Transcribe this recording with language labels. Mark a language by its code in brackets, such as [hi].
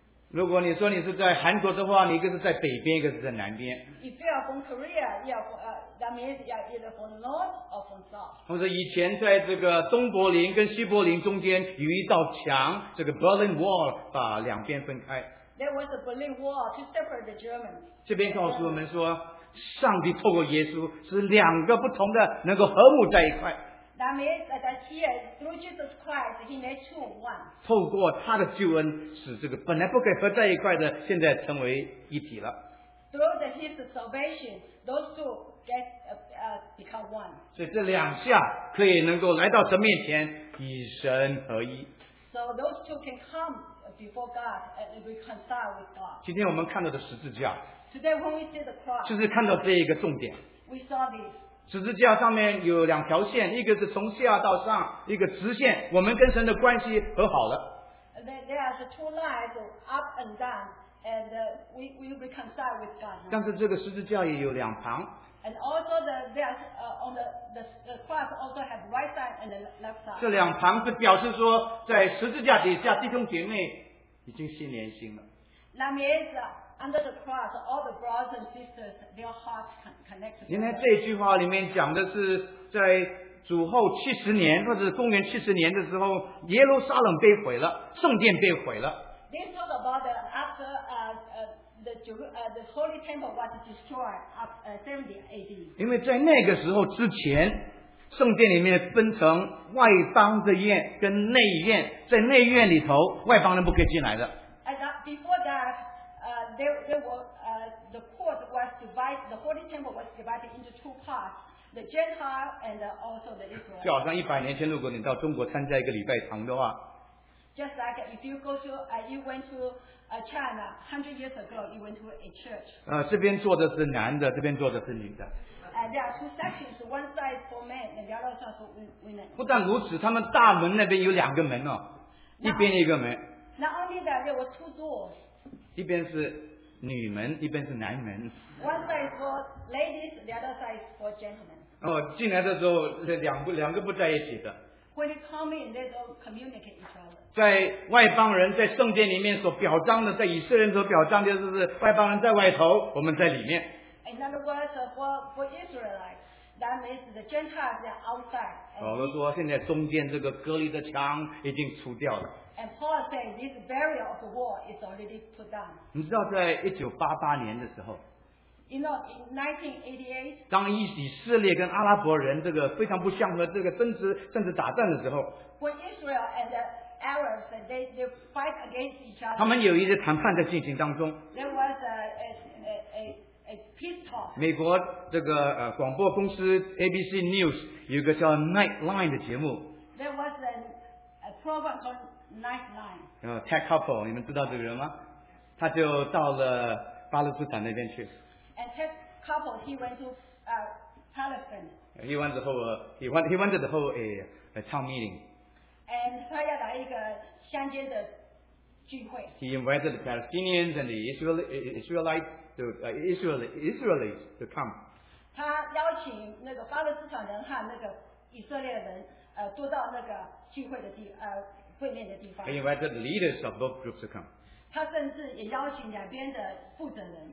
[zh] 如果你说你是在韩国的话你一个是在北边一个是在南边。 [en] If you are from Korea, you are from, that means you are either from north or from south. [zh] 或者以前在这个东柏林跟西柏林中间有一道墙这个 Berlin Wall 把两边分开。 [en] There was a Berlin Wall to separate the Germans. [zh] 这边告诉我们说上帝透过耶稣是两个不同的能够和睦在一块。 [en] That means that here, through Jesus Christ, He made two one. [zh] 透过他的救恩，使这个本来不可以合在一块的，现在成为一体了。 [en] Through the His salvation, those two get become one. [zh] 所以这两下可以能够来到神面前，与神合一。 [en] So those two can come before God and reconcile with God. [zh] 今天我们看到的十字架。 [en] Today when we see the cross. [zh] 就是看到这一个重点。 [en] We saw this. [zh] 十字架上面有两条线，一个是从下到上，一个直线，我们跟神的关系和好了。 [en] There are two lines up and down, and we reconcile with God. [zh] 但是这个十字架也有两旁。 [en] And also there are on the cross also have right side and left side. [zh] 这两旁是表示说，在十字架底下弟兄姐妹已经心连心了。 [en] That means. Under the cross, all the brothers and sisters, their hearts connected. [zh] 原来这句话里面讲的是在主后七十年或者公元七十年的时候，耶路撒冷被毁了，圣殿被毁了。 [en] This talk about the, after the holy temple was destroyed up 70 AD. [zh] 因为在那个时候之前，圣殿里面分成外邦的院跟内院，在内院里头，外邦人不可以进来的。 [en] And before that. The court was divided, the holy temple was divided into two parts, the Gentile and also the Israel. [zh] 就好像一百年前，如果你到中国参加一个礼拜堂的话 [en] ，Just like if you go to, you went to China 100 years ago, you went to a church. [zh] 这边坐的是男的，这边坐的是女的。 [en] There are two sections, one side for men, and the other side for women. [zh] 不但如此，他们大门那边有两个门哦，一边一个门。 [en] Not only that, there were two doors. [zh] 一边是女门，一边是男门。 [en] One side is for ladies, the other side is for gentlemen. [zh] 进来的时候两个不在一起的。 [en] When you come in, they don't communicate each other. [zh] 在外邦人在圣殿里面所表彰的，在以色列所表彰的就是外邦人在外头，我们在里面。 [en] In other words, for Israelites, that means the Gentiles are outside. [zh] 保罗说，现在中间这个隔离的墙已经除掉了。 [en] And Paul said this barrier of the wall is already put down. [zh] 你知道在1988年的时候 [en] You know, in 1988, [zh] 当以色列跟阿拉伯人这个非常不相合这个争执甚至打战的时候 [en] When Israel and the Arabs, they fight against each other. [zh] 他们有一些谈判在进行当中 [en] There was a peace talk. [zh] 美国这个广播公司 ABC News 有一个叫 Nightline 的节目 [en] There was a program called Nightline. [zh] Ted Koppel, 你们知道这个人吗？他就到了巴勒斯坦那边去。 [en] and test couple, he went to Palestine. He wanted to hold a town meeting. [zh] And 他要来一个乡间的聚会. [en] He invited the Palestinians and the Israelites to come. [zh] 他邀请那个巴勒斯坦人和那个以色列人，多到那个聚会的地，会面的地方. [en] He invited the leaders of both groups to come. [zh] 他甚至也邀请两边的负责人.